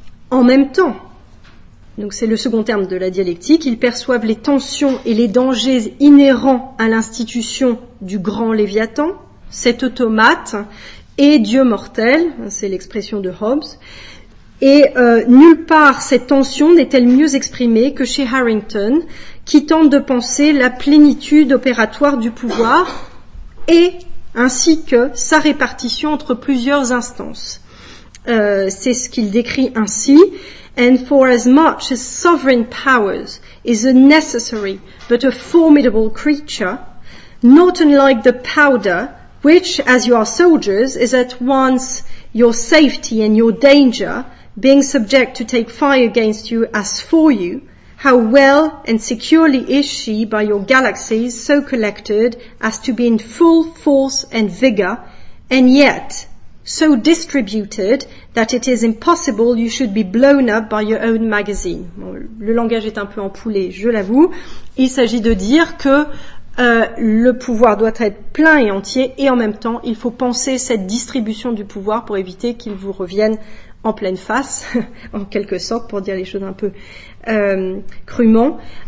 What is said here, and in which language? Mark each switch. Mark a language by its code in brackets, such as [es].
[fr] En même temps, donc c'est le second terme de la dialectique, ils perçoivent les tensions et les dangers inhérents à l'institution du grand Léviathan, cet automate et dieu mortel, c'est l'expression de Hobbes, et nulle part cette tension n'est-elle mieux exprimée que chez Harrington, qui tente de penser la plénitude opératoire du pouvoir, et ainsi que sa répartition entre plusieurs instances. C'est ce qu'il décrit ainsi. [en] And for as much as sovereign powers is a necessary but a formidable creature, not unlike the powder, which, as you are soldiers, is at once your safety and your danger, being subject to take fire against you as for you, how well and securely is she by your galaxies so collected as to be in full force and vigor, and yet so distributed that it is impossible you should be blown up by your own magazine. [fr] Bon, le langage est un peu ampoulé, je l'avoue. Il s'agit de dire que le pouvoir doit être plein et entier, et en même temps, il faut penser cette distribution du pouvoir pour éviter qu'il vous revienne en pleine face, en quelque sorte, pour dire les choses un peu crûment.